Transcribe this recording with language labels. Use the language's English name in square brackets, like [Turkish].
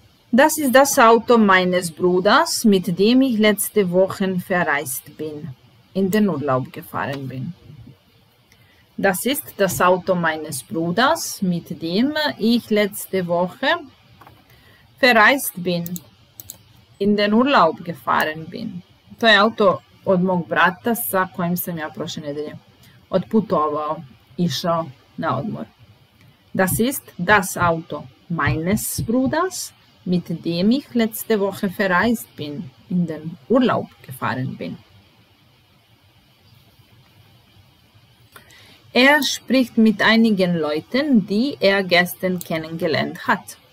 [German] Das ist das Auto meines Bruders, mit dem ich letzte Woche verreist bin, in den Urlaub gefahren bin. Das ist das Auto meines Bruders, mit dem ich letzte Woche verreist bin, in den Urlaub gefahren bin. [Serbian] To je auto od mog brata sa kojim sam ja prošle nedelje odputovao, išao na odmor. [German] Das ist das Auto meines Bruders, mit dem ich letzte Woche verreist bin, in den Urlaub gefahren bin. Er spricht mit einigen Leuten, die er gestern kennengelernt hat.